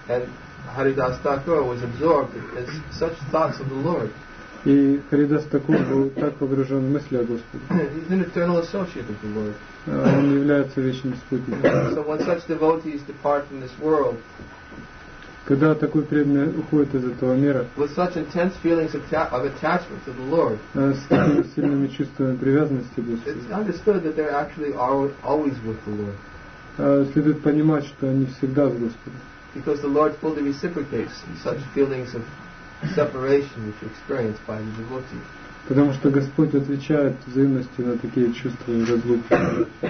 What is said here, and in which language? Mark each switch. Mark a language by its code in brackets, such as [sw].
[en] And Haridas Thakur was absorbed in such thoughts of the Lord. [ru] И Харидас Такур был так погружен в мысли о Господе. [en] He's an eternal associate of the Lord. [ru] Он является вечным спутником. [en] So when such devotees depart from this world, [ru] когда такой преданный уходит из этого мира, [en] with such intense feelings of attachment to the Lord, [ru] с такими сильными чувствами привязанности к Господу, [en] it's understood that they're actually always with the Lord. [ru] Следует понимать, что они всегда с Господом. [en] Because the Lord fully reciprocates such feelings of separation which are experienced by the devotee. [ru] Потому что Господь отвечает взаимностью на такие чувства и разлуки.